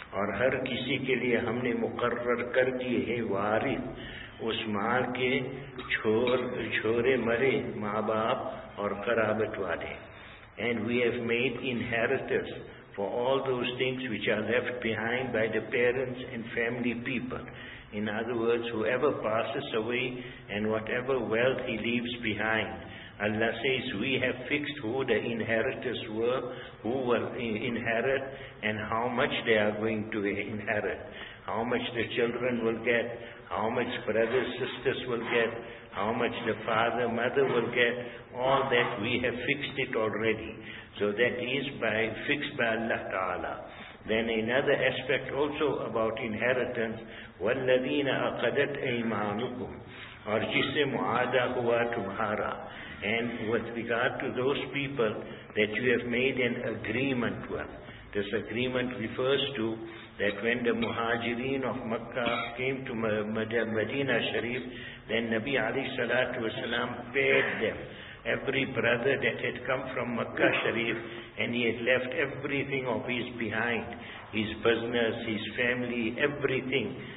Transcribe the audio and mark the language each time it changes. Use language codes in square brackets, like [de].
[ur] اور ہر کسی کے لئے ہم نے مقرر کر دیئے ہیں وارث, اس مال کے چھوڑے مرے ماں باپ اور قرابت والے. [en] And we have made inheritors for all those things which are left behind by the parents and family people. In other words, whoever passes away and whatever wealth he leaves behind, Allah says, we have fixed who the inheritors were, who will inherit and how much they are going to inherit, how much the children will get, how much brothers, sisters will get, how much the father, mother will get, all that we have fixed it already. So that is by fixed by Allah Ta'ala. Then another aspect also about inheritance, [ar] وَالَّذِينَ أَقَدَتْ أَيْمَانُكُمْ [ur] اور جسے معاہدہ ہوا تمہارا. [en] And with regard to those people that you have made an agreement with, this agreement refers to that when the Muhajireen of Makkah came to Medina Sharif, then Nabi Ali Salatu Wasalam paid them, every brother that had come from Makkah Sharif, and he had left everything of his behind, his business, his family, everything.